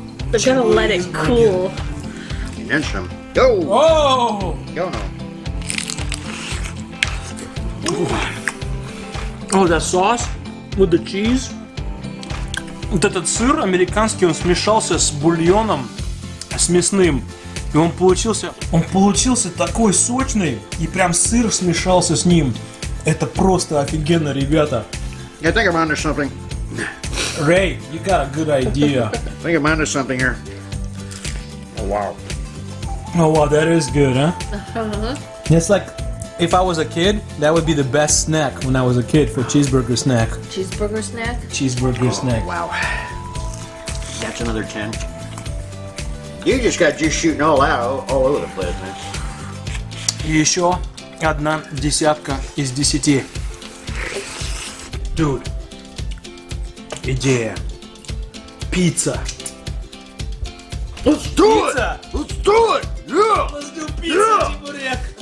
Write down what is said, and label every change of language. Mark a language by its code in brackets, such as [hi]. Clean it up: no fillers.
[en] They're gonna let it cool. And then some. Go! Oh! Go now. Oh, that sauce with the cheese. [ru] Вот этот сыр американский, он смешался с бульоном. С мясным. И он получился такой сочный, и прям сыр смешался с ним. Это просто офигенно, ребята. Я [en] think I'm onto something. Ray, you got a good idea. I think I'm onto something here. Oh wow. Oh wow, that is good, huh? Uh-huh. It's like if I was a kid, that would be the best snack when I was a kid for cheeseburger snack. Cheeseburger snack? Cheeseburger snack. Oh, wow. That's another 10. You just got juice shooting all over the place, man. [ru] Еще одна десятка из десяти. [en] Dude, [ru] идея. [en] Pizza. Let's do pizza. It! Let's do it! Yeah! Let's do pizza, yeah! [ru] Чебурек!